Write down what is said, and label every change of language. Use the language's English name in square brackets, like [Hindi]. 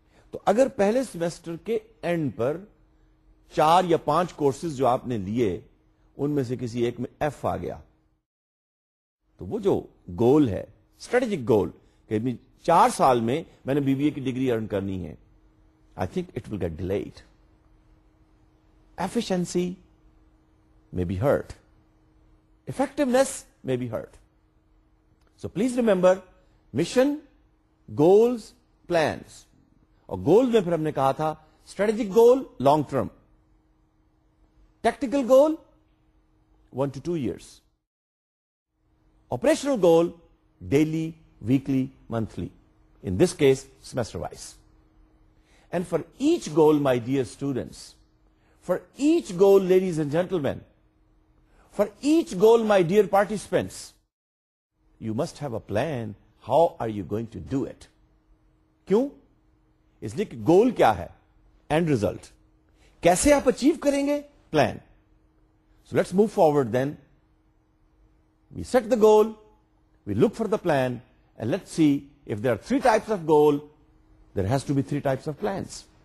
[Urdu] تو اگر پہلے سیمسٹر کے اینڈ پر 4 یا 5 کورسز جو آپ نے لیے ان میں سے کسی ایک میں ایف آ گیا, تو وہ جو گول ہے اسٹریٹجک گول کہ 4 سال میں میں نے بی بی اے کی ڈگری ارن کرنی ہے, [English] I think it will get delayed. Efficiency may be hurt, effectiveness may be hurt. So please remember mission goals plans. [Urdu] اور گول میں پھر ہم نے کہا تھا strategic goal long term, tactical goal 1 to 2 years, operational goal daily weekly monthly [English] In this case semester wise. And for each goal my dear students, for each goal ladies and gentlemen, for each goal my dear participants, you must have a plan how are you going to do it. [Urdu] کیوں؟ اس لیے کہ گول کیا ہے, and result کیسے آپ achieve کریں گے, plan. [English] So let's move forward then. We set the goal, we look for the plan, and let's see if there are 3 types of goal, there has to be 3 types of plans.